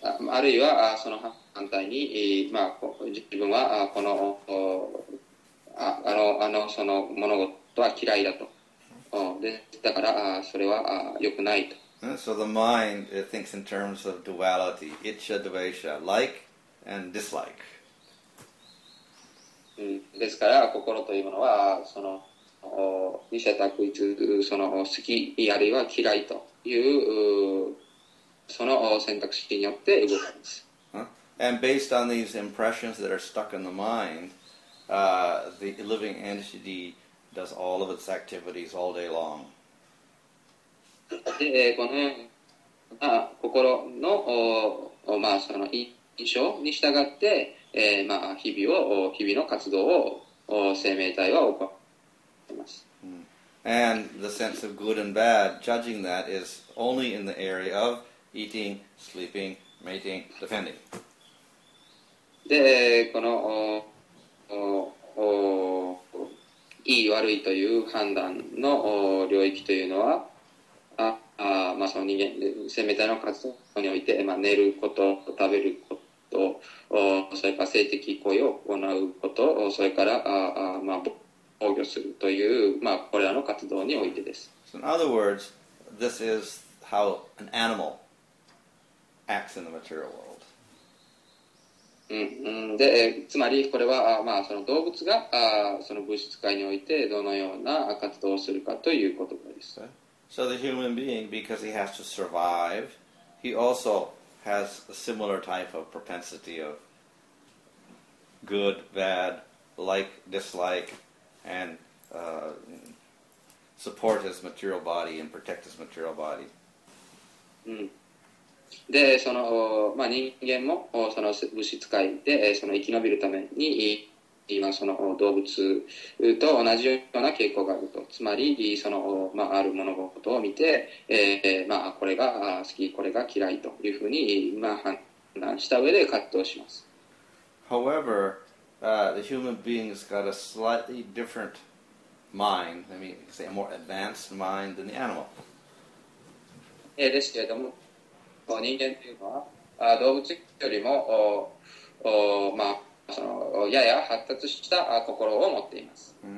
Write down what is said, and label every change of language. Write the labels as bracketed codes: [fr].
[ja] あるいは、その反対に、まあ、自分はこの、その物事は嫌いだと。で、だから、それは良くないと。 [en] So the mind thinks in terms of duality, icchā dvēśā, like and dislike. [ja] ですから、心というものは、その、二者択一、その、好き、あるいは嫌いという、その選択肢によって動くんです。 [en] And based on these impressions that are stuck in the mind,the living entity does all of its activities all day long. [ja] で、この、まあ、心の、まあ、その印象に従って、まあ、日々の活動を生命体は行います。 [en] And the sense of good and bad, judging that, is only in the area of eating, sleeping, mating, defending. [ja] で、この、いい悪いという判断の領域というのは、まあ、その人間、生命体の活動において、まあ、寝ること、食べること、それから性的行為を行うこと、それから、まあ、防御するという、まあ、これらの活動においてです。 [en] So in other words, this is how an animal acts in the material world. [ja] でつまりこれは、まあ、その動物がその物質界においてどのような活動をするかということです。 [en] So the human being, because he has to survive, he also has a similar type of propensity of good, bad, like, dislike, and support his material body and protect his material body. [ja] でそのまあ、人間もその物質界でその生き延びるために今その動物と同じような傾向があるとつまりその、まあ、ある物事を見て、まあ、これが好きこれが嫌いというふうに、まあ、判断した上で葛藤します [en] However,、the human being's got a slightly different mind I mean, say a more advanced mind than the animal [ja] ですけれども人間というのは動物よりも、まあ、そのやや発達した心を持っています。